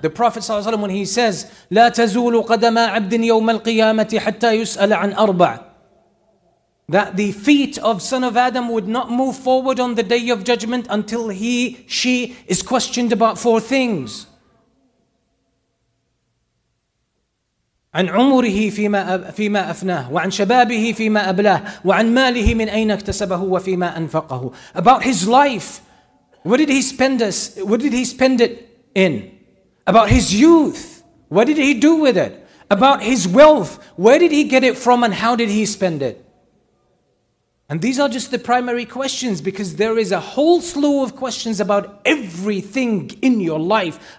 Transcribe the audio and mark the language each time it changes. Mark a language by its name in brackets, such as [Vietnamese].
[English] The Prophet sallallahu alaihi wasallam, when he says, [Arabic] لا تزول قدم عبد يوم القيامة حتى يسأل عن أربع, [English] that the feet of son of Adam would not move forward on the day of judgment until he, she is questioned about four things. [Arabic] عن عمره فيما أفناه وعن شبابه فيما أبلاه وعن ماله من أين اكتسبه وفيما أنفقه. [English] About his life, what did he spend it in? About his youth, what did he do with it? About his wealth, where did he get it from and how did he spend it? And these are just the primary questions, because there is a whole slew of questions about everything in your life.